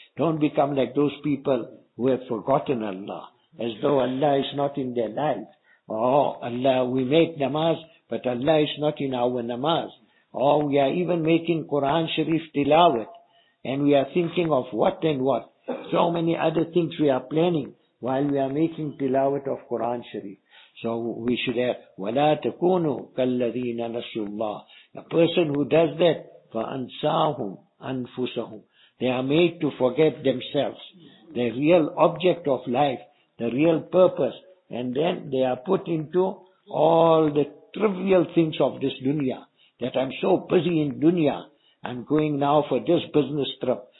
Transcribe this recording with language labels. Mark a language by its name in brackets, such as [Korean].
[English] Don't become like those people who have forgotten Allah, as though Allah is not in their life. Or Allah, we make namaz, but Allah is not in our namaz. Or we are even making Quran Sharif tilawat, and we are thinking of what and what. So many other things we are planning while we are making tilawat of Quran Sharif. So we should have [Arabic] وَلَا تَكُونُوا كَالَّذِينَ نَسُوا اللَّهِ. [English] A person who does that, [Arabic] فَأَنْسَاهُمْ أَنْفُسَهُمْ. [English] They are made to forget themselves, the real object of life, the real purpose. And then they are put into all the trivial things of this dunya. That I'm so busy in dunya, I'm going now for this business trip.